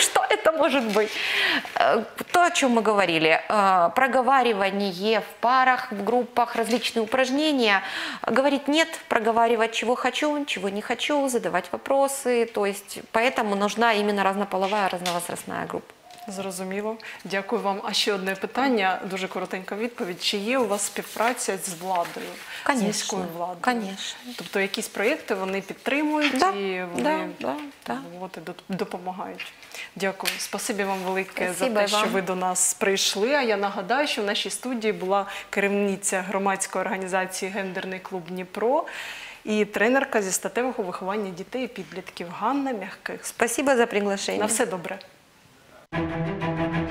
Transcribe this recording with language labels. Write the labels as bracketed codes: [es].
[ru] Что это может быть? То, о чем мы говорили. Проговаривание в парах, в группах, различные упражнения. Говорить нет, проговаривать, чего хочу, чего не хочу, задавать вопросы. То есть поэтому нужна именно разнополовая, разновозрастная группа. [uk] Зрозуміло. Дякую вам. А ще одне питання, дуже коротенька відповідь. Чи є у вас співпраця з владою? [ru] Конечно. [uk] З міською владою? [ru] Конечно. [uk] Тобто якісь проєкти вони підтримують, [ru] да, [uk] і вони, [ru] да, [uk] вот, допомагають. Дякую. Спасибі вам велике за те, що ви до нас прийшли. А я нагадаю, що в нашій студії була керівниця громадської організації «Гендерний клуб Дніпро» і тренерка зі статевого виховання дітей і підлітків Ганна Мягких. [ru] Спасибо за приглашення. [uk] На все добре. [en] Thank you.